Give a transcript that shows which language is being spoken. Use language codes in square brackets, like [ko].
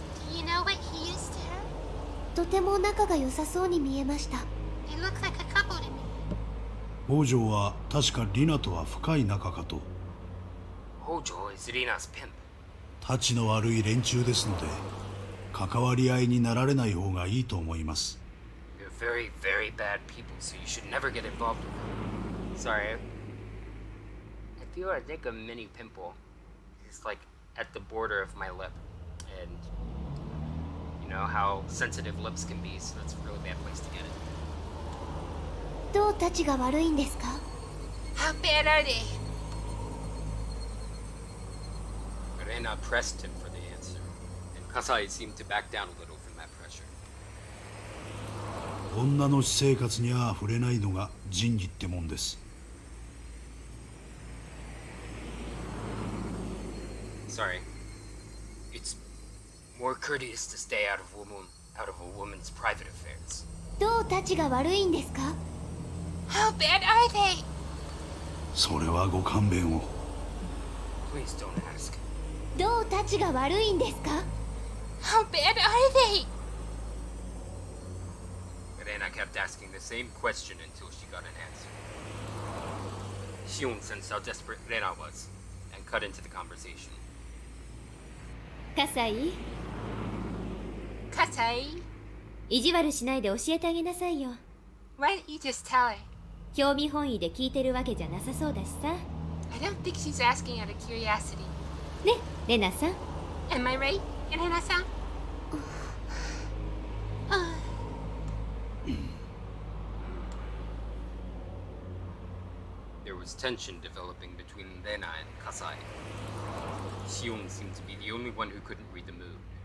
[en] Do you know what he is to her? [ja] とても仲が良さそうに見えました。 [en] They look like a couple to me. [ja] Hojo は確か Rina とは深い仲かと。 [en] Hojo is Rina's pimp. [ja] たちの悪い連中ですので、関わり合いになられない方がいいと思います。 [en] You're very, very bad people, so you should never get involved with them. Sorry. I feel like a mini pimple. It's like at the border of my lip. And you know how sensitive lips can be, so that's a really bad place to get it. [ja] どうたちが悪いんですか? [en] How bad are they? Rina pressed him for the answer, and Kasai seemed to back down a little from that pressure. [ja] 女の私生活には触れないのが仁義ってもんです。 [en] Sorry. It's more courteous to stay out of a woman's private affairs. [ja] どうたちが悪いんですか? [en] How bad are they? [ja] それはご勘弁を。 [en] Please don't ask. [ja] どうたちが悪いんですか? [en] How bad are they? Rena kept asking the same question until she got an answer. Shion sensed how desperate Rena was and cut into the conversation. Kasai? Kasai? [ja] 意地悪しないで教えてあげなさいよ。 [en] Why don't you just tell her? [ja] 興味本位で聞いてるわけじゃなさそうだしさ。 [en] I don't think she's asking out of curiosity. [ja] ね、レナさん。 [en] Am I right, レナさん? There was tension developing between Rena and Kasai. Shion seemed to be the only one who couldn't read the mood.